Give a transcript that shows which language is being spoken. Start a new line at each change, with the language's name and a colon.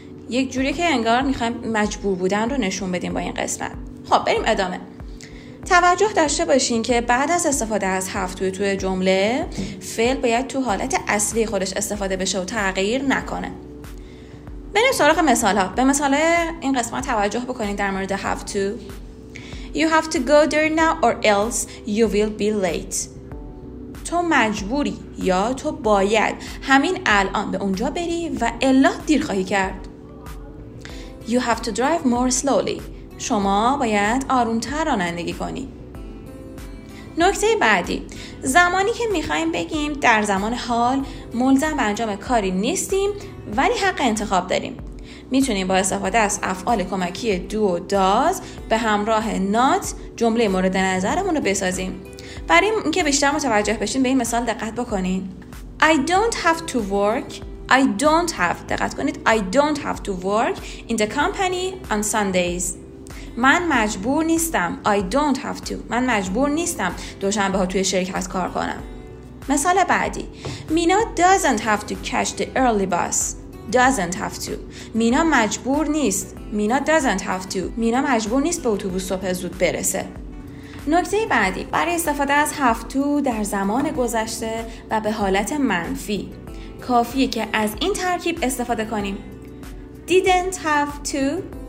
Persian: یک جوری که انگار میخوایم مجبور بودن رو نشون بدیم با این قسمت. خب بریم ادامه. توجه داشته باشین که بعد از استفاده از have to توی جمله، فعل باید تو حالت اصلی خودش استفاده بشه و تغییر نکنه. بریم سراغ مثال ها. به مثال این قسمت توجه بکنین در مورد have to.
English: You have to go there now or else you will be late.
Persian: تو مجبوری یا تو باید همین الان به اونجا بری و الا دیر خواهی کرد.
English: You have to drive more slowly.
Persian: شما باید آروم‌تر رانندگی کنی. نکته بعدی، زمانی که میخواییم بگیم در زمان حال ملزم به انجام کاری نیستیم ولی حق انتخاب داریم. میتونیم با استفاده از افعال کمکی دو و داز به همراه نات جمله مورد نظرمون رو بسازیم. برای اینکه بیشتر متوجه بشین به این مثال دقت بکنین.
English: I don't have to work. I don't have.
Persian: دقت کنید.
English: I don't have to work in the company on Sundays.
Persian: من مجبور نیستم.
English: I don't have to.
Persian: من مجبور نیستم دوشنبه ها توی شرکت کار کنم. مثال بعدی.
English: مینا doesn't have to catch the early bus. Doesn't have to.
Persian: مینا مجبور نیست.
English: مینا doesn't have to.
Persian: مینا مجبور نیست به اتوبوس صبح زود برسه. نکته بعدی، برای استفاده از have to در زمان گذشته و به حالت منفی کافیه که از این ترکیب استفاده کنیم.
English: Didn't have to.